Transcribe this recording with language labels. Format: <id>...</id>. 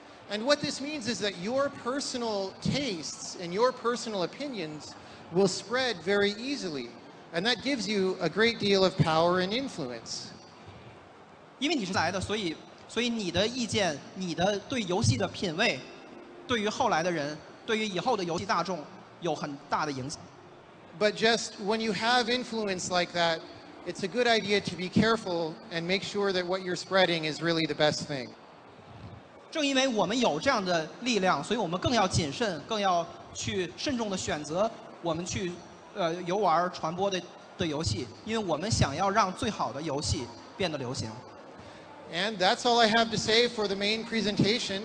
<en>And what this means is that your personal tastes and your personal opinions will spread very easily and that gives you a great deal of power and influence</en> <zh>因为你是来的所以你的意见你的对游戏的品味对于后来的人对于以后的游戏大众有很大的影响</zh> <en>But just when you have influence like that, it's a good idea to be careful and make sure that what you're spreading is really the best thing.</en> <zh>正因为我们有这样的力量，所以我们更要谨慎，更要去慎重的选择我们去游玩传播的游戏，因为我们想要让最好的游戏变得流行。</zh> <en>And that's all I have to say for the main presentation.</en>